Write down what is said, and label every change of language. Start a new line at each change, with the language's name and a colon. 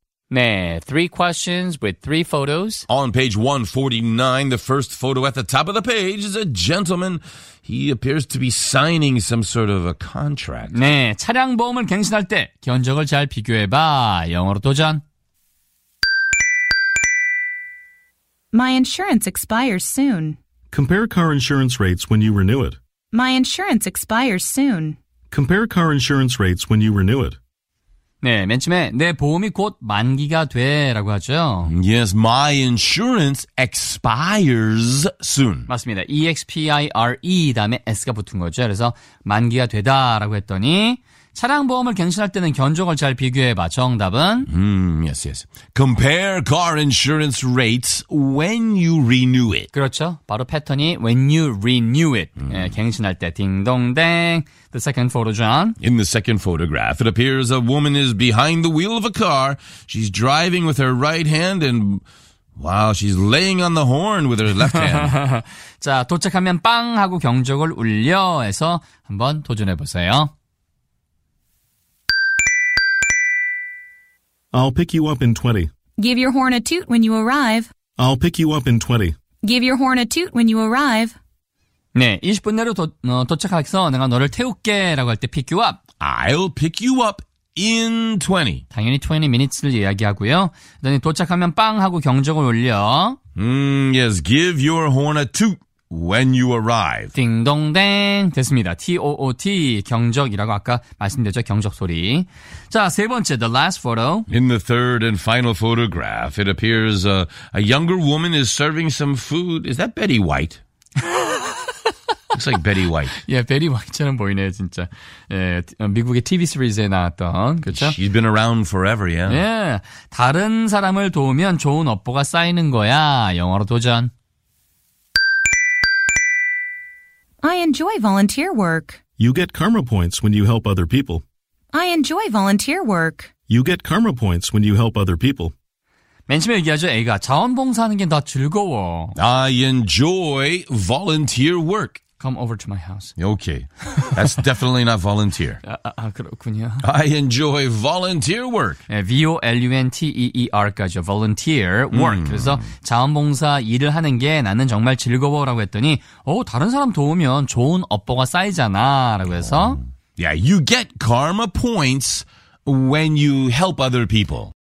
English: 네, three questions with three photos. On page 149, the first photo at the top of the page is a gentleman. He appears to be signing some sort of a contract.
Korean: 네, 차량 보험을 갱신할 때 견적을 잘 비교해봐. 영어로 도전.
English: My insurance expires soon. Compare car insurance rates when you renew it. My insurance expires soon. Compare car insurance rates when you renew it.
Korean: 네, 맨 처음에 내 보험이 곧 만기가 돼라고 하죠.
English: Yes, my insurance expires soon.
Korean: 맞습니다. E-X-P-I-R-E 다음에 S가 붙은 거죠. 그래서 만기가 되다라고 했더니 차량 보험을 갱신할 때는 견적을 잘 비교해봐. 정답은?
English: Yes, yes. Compare car insurance rates when you renew it.
Korean: 그렇죠. 바로 패턴이 when you renew it. 예, 갱신할 때 딩동댕.
English: The second photo, John. In the second photograph, it appears a woman is behind the wheel of a car. She's driving with her right hand and... Wow, she's laying on the horn with her left hand.
Korean: 자, 도착하면 빵 하고 경적을 울려 해서 한번 도전해보세요.
English: I'll pick you up in 20. Give your horn a toot when you arrive. I'll pick you up in 20. Give your horn a toot when you arrive.
Korean: 네, 20분 내로 도착해서 내가 너를 태울게 라고 할 때
English: pick you up. I'll pick you up in 20.
Korean: 당연히 20 minutes를 이야기하고요. 그다음에 도착하면 빵 하고 경적을 울려.
English: Yes, give your horn a toot when you arrive.
Korean: 띵동댕 됐습니다. T-O-O-T 경적이라고 아까 말씀드렸죠. 경적 소리. 자, 세 번째,
English: the last photo. In the third and final photograph, it appears a younger woman is serving some food. Is that Betty White? Looks like Betty White.
Korean: Yeah, Betty White처럼 보이네요, 진짜. 예, 미국의 TV 시리즈에 나왔던, 그렇죠?
English: She's been around forever, yeah.
Korean: 예, 다른 사람을 도우면 좋은 업보가 쌓이는 거야. 영어로 도전.
English: I enjoy volunteer work. You get karma points when you help other people. I enjoy volunteer work. You get karma points when you help other people.
Korean: 맨 처음에 얘기하죠, A가. 자원봉사하는 게 더 즐거워.
English: I enjoy volunteer work. Come over to my house. Okay. That's definitely not volunteer.
Korean: 아, 그렇군요.
English: I enjoy volunteer work.
Korean: V-O-L-U-N-T-E-E-R까지요.
English: Volunteer work.
Korean: 그래서 자원봉사 일을 하는 게 나는 정말 즐거워라고 했더니 다른 사람 도우면 좋은 업보가 쌓이잖아 라고 해서
English: Yeah, you get karma points when you help other people.